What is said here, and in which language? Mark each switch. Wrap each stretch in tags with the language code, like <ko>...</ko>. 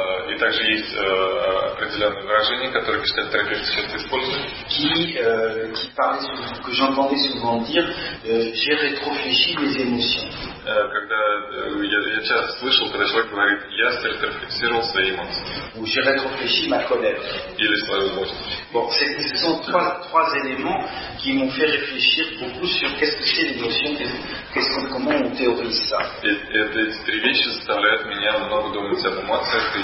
<ru>И также есть определенные выражения, которые психотерапевты часто используют.</ru> <fr>Qui parlait souvent, que j'entendais souvent dire, j'ai rétrofléchi mes émotions.</fr> <ru>Когда я часто слышал, когда человек говорит, я рефлексировал свои эмоции.</ru> <fr>Ou j'ai rétrofléchi ma colère.</fr> <ru>Или свою злость.</ru> <fr>Bon, ce sont trois éléments qui m'ont fait réfléchir beaucoup sur qu'est-ce que c'est l'émotion, comment on théorise ça.</fr> <ru>Эти три вещи заставляют меня много думать об эмоциях.</ru>